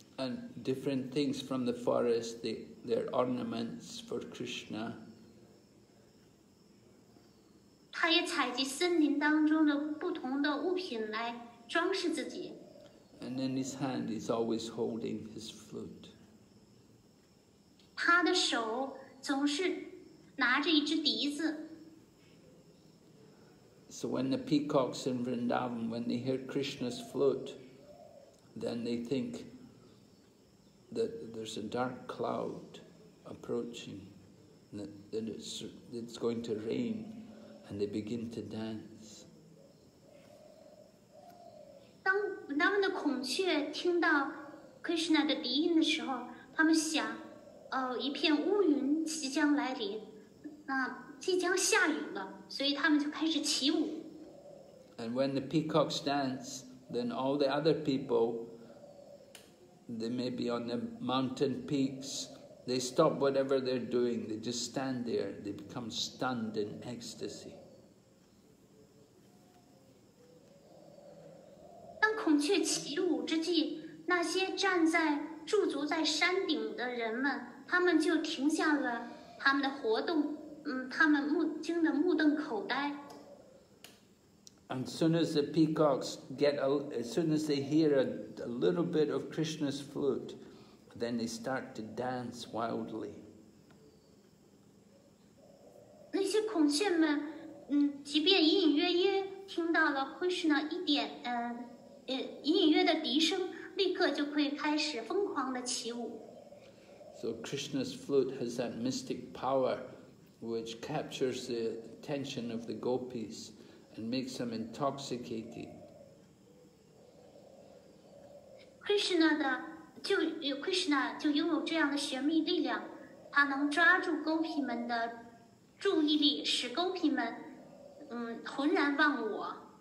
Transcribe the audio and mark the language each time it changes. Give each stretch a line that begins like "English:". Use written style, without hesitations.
English: And different things from the forest, they're ornaments for Krishna.
Chinese: 他也采集森林当中的不同的物品来装饰自己。
English: And in his hand, he's always holding his flute.
Chinese: 他的手总是拿着一只笛子。
English: So when the peacocks in Vrindavan, when they hear Krishna's flute, then they think that there's a dark cloud approaching, that it's going to rain, and they begin to dance.
Chinese: 他们的孔雀听到 Krishna 的笛音的时候，他们想，一片乌云即将来临，那即将下雨了，所以他们就开始起舞。
English: And when the peacocks dance, then all the other people, they may be on the mountain peaks, they stop whatever they're doing, they just stand there, they become stunned in ecstasy.
Chinese: 孔雀起舞之际，那些站在驻足在山顶的人们，他们就停下了他们的活动，他们目惊得目瞪口呆。
English: And soon as the peacocks get a, as soon as they hear a little bit of Krishna's flute, then they start to dance wildly.
Chinese: 那些孔雀们，即便隐隐约约听到了 Krishna 一点，隐隐约的笛声，立刻就会开始疯狂的起舞。
English: So Krishna's flute has that mystic power, which captures the attention of the gopis. And makes them intoxicated.
Chinese: Krishna 的就 Krishna 就拥有这样的玄秘力量，他能抓住勾皮们的注意力，使勾皮们浑然忘我。